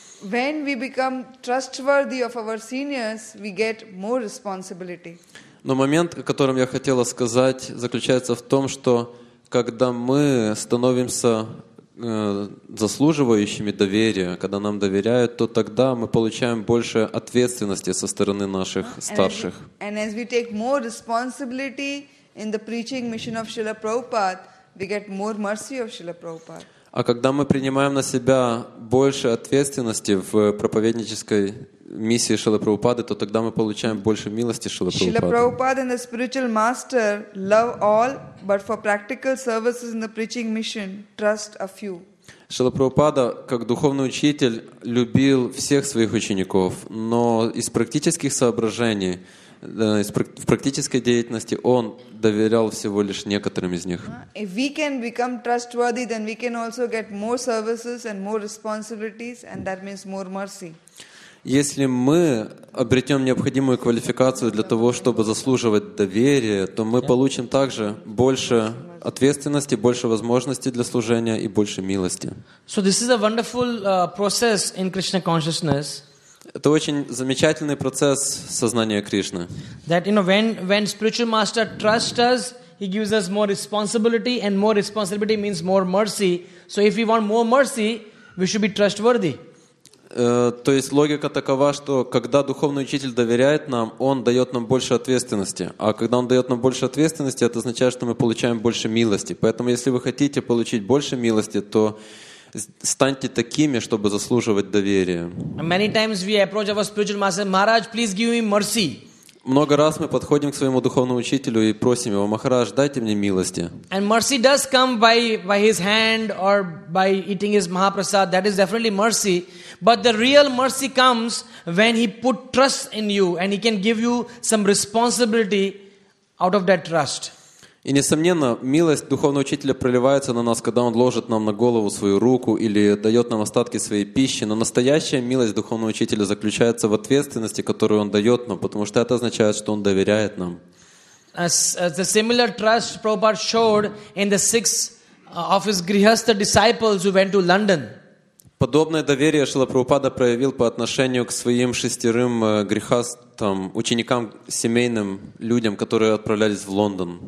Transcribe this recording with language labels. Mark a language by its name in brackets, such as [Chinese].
[English] when we become trustworthy of our seniors, we get more responsibility. [Russian] Но момент, о котором я хотела сказать, заключается в том, что когда мы становимся заслуживающими доверия, когда нам доверяют, то тогда мы получаем больше ответственности со стороны наших старших. [English] And as we take more responsibility in the preaching mission of Srila Prabhupada, we get more mercy of Srila Prabhupada. [Russian] А когда мы принимаем на себя больше ответственности в проповеднической миссии Шрилы Прабхупады, то тогда мы получаем больше милости Шрилы Прабхупады. [English] Шрила Прабхупада and the spiritual master love all, but for practical services in the preaching mission, trust a few. [Russian] Шрила Прабхупада, как духовный учитель, любил всех своих учеников, но из практических соображений, в практической деятельности он доверял всего лишь некоторым из них. [English] If we can become trustworthy, then we can also get more services and more responsibilities, and that means more mercy. [Russian] Если мы обретем необходимую квалификацию для того, чтобы заслуживать доверие, то мы получим также больше ответственности, больше возможностей для служения и больше милости. [English] So this is a wonderful process in Krishna consciousness. [Russian] Это очень замечательный процесс сознания Кришны. [English] That, you know, when spiritual master trusts us, he gives us more responsibility, and more responsibility means more mercy. So if we want more mercy, we should be trustworthy. [Russian] То есть логика такова, что когда духовный учитель доверяет нам, он дает нам больше ответственности. А когда он дает нам больше ответственности, это означает, что мы получаем больше милости. Поэтому если вы хотите получить больше милости, то станьте такими, чтобы заслуживать доверия. [English] Many times we approach our spiritual master, Maharaj, please give me mercy. [Russian] Много раз мы подходим к своему духовному учителю и просим его: «Махарадж, дайте мне милости». [English] And mercy does come by his hand or by eating his Mahaprasad. That is definitely mercy. But the real mercy comes when he put trust in you and he can give you some responsibility out of that trust. [Russian] И несомненно, милость духовного учителя проливается на нас, когда он ложит нам на голову свою руку или дает нам остатки своей пищи. Но настоящая милость духовного учителя заключается в ответственности, которую он дает нам, потому что это означает, что он доверяет нам. [English] As the similar trust Prabhupada showed in the six of his Grihastha disciples who went to London. [Russian] Подобное доверие Шрила Прабхупада проявил по отношению к своим шестерым грихастам, ученикам, семейным людям, которые отправлялись в Лондон.